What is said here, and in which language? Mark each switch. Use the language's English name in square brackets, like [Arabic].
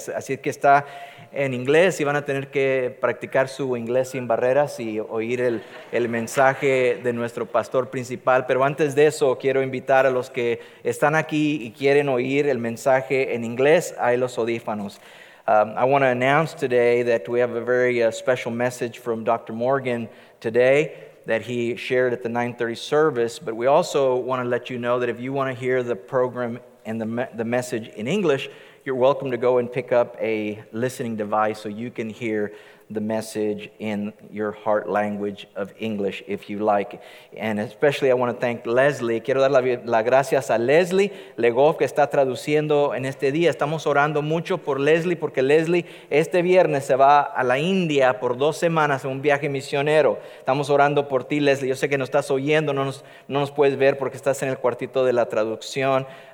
[Spanish] Así que está en inglés y van a tener que practicar su inglés sin barreras y oír el mensaje de nuestro pastor principal. Pero antes de eso, quiero invitar a los que están aquí y quieren oír el mensaje en inglés, ahí los audífonos. [English] I want to announce today that we have a very special message from Dr. Morgan today that he shared at the 9:30 service, but we also want to let you know that if you want to hear the program and the message in English, you're welcome to go and pick up a listening device so you can hear the message in your heart language of English if you like. And especially I want to thank Leslie. [Spanish] Quiero dar las gracias a Leslie Legoff que está traduciendo en este día. Estamos orando mucho por Leslie porque Leslie este viernes se va a la India por 2 semanas en un viaje misionero. Estamos orando por ti, Leslie. Yo sé que nos estás oyendo, no nos puedes ver porque estás en el cuartito de la traducción.